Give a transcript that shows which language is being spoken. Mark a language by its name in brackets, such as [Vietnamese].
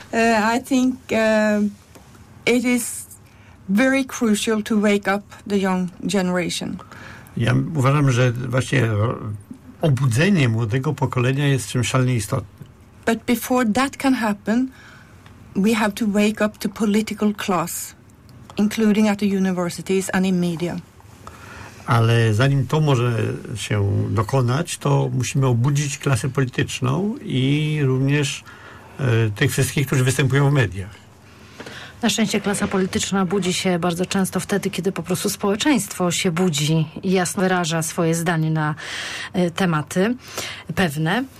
[English] I think it is very crucial to wake up the young generation. [Polish] Ja uważam, że właśnie obudzenie młodego pokolenia jest czymś szalenie istotnym. [English] But before that can happen, we have to wake up the political class, including at the universities and in media. [Polish] Ale zanim to może się dokonać, to musimy obudzić klasę polityczną i również tych wszystkich, którzy występują w mediach. Na szczęście klasa polityczna budzi się bardzo często wtedy, kiedy po prostu społeczeństwo się budzi i jasno wyraża swoje zdanie na tematy pewne.